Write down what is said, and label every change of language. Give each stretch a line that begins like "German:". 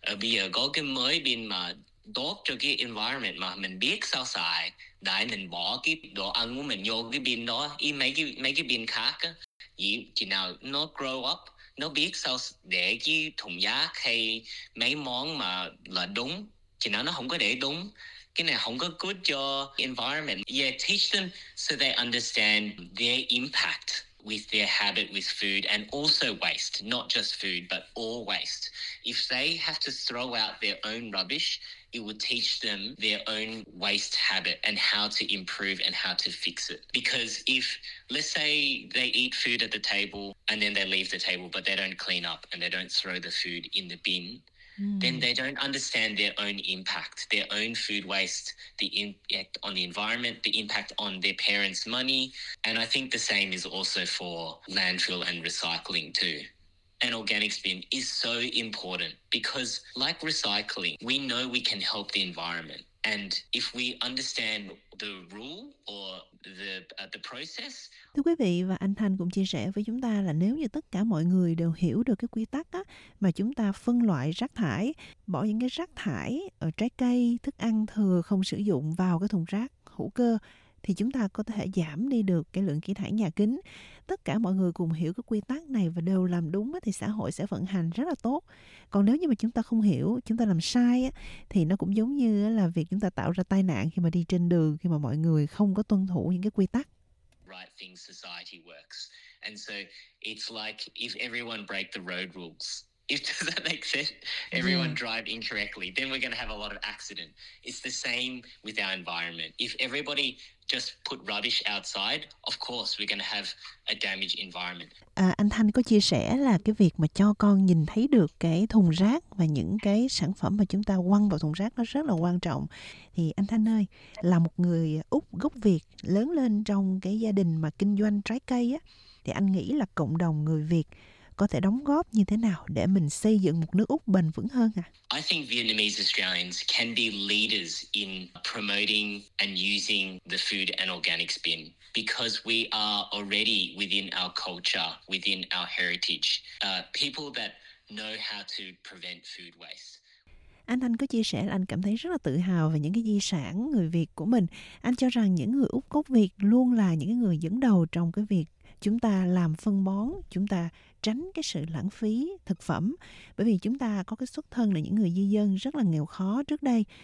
Vietnamese: Bây giờ có cái mới bin mà tốt cho cái environment mà mình biết sao xài, đại mình bỏ cái đồ ăn của mình vô cái bin đó, ý mấy cái bin khác á, chỉ nào nó
English: grow up,
Vietnamese: nó biết sao để cái thùng rác hay mấy món mà là đúng. Chỉ nào nó không có để đúng, cái này không có good cho environment.
English: Yeah, teach them so they understand their impact with their habit with food and also waste, not just food, but all waste. If they have to throw out their own rubbish, it will teach them their own waste habit and how to improve and how to fix it. Because if, let's say, they eat food at the table and then they leave the table, but they don't clean up and they don't throw the food in the bin, then they don't understand their own impact, their own food waste, the impact on the environment, the impact on their parents' money. And I think the same is also for landfill and recycling too. An organics bin is so important because, like recycling, we know we can help the environment. And if we understand the rule or the process.
Vietnamese: Thưa quý vị, và anh Thanh cũng chia sẻ với chúng ta là nếu như tất cả mọi người đều hiểu được cái quy tắc á, mà chúng ta phân loại rác thải, bỏ những cái rác thải ở trái cây, thức ăn thừa không sử dụng vào cái thùng rác hữu cơ, thì chúng ta có thể giảm đi được cái lượng khí thải nhà kính. Tất cả mọi người cùng hiểu cái quy tắc này và đều làm đúng thì xã hội sẽ vận hành rất là tốt. Còn nếu như mà chúng ta không hiểu, chúng ta làm sai á, thì nó cũng giống như là việc chúng ta tạo ra tai nạn khi mà đi trên đường, khi mà mọi người không có tuân thủ những cái quy tắc.
English: Right thing society works. And so it's like if everyone break the road rules, if does that make sense? Everyone drive incorrectly, then we're going to have a lot of accident. It's the same with our environment. If everybody just put rubbish outside, of course we're going to have a damaged environment.
Vietnamese: Anh Thanh có chia sẻ là cái việc mà cho con nhìn thấy được cái thùng rác và những cái sản phẩm mà chúng ta quăng vào thùng rác nó rất là quan trọng. Thì anh Thanh ơi, là một người Úc gốc Việt lớn lên trong cái gia đình mà kinh doanh trái cây á, thì anh nghĩ là cộng đồng người Việt có thể đóng góp như thế nào để mình xây dựng một nước Úc bền vững hơn à?
English: I think Vietnamese Australians can be leaders in promoting and using the food and organics bin because we are already within our culture, within our heritage, people that know how to prevent food waste.
Vietnamese: Anh Thanh có chia sẻ là anh cảm thấy rất là tự hào về những cái di sản người Việt của mình. Anh cho rằng những người Úc gốc Việt luôn là những người dẫn đầu trong cái việc chúng ta làm phân bón, chúng ta tránh cái sự lãng phí thực phẩm. Bởi vì chúng ta có cái xuất thân là những người di dân rất là nghèo khó trước đây.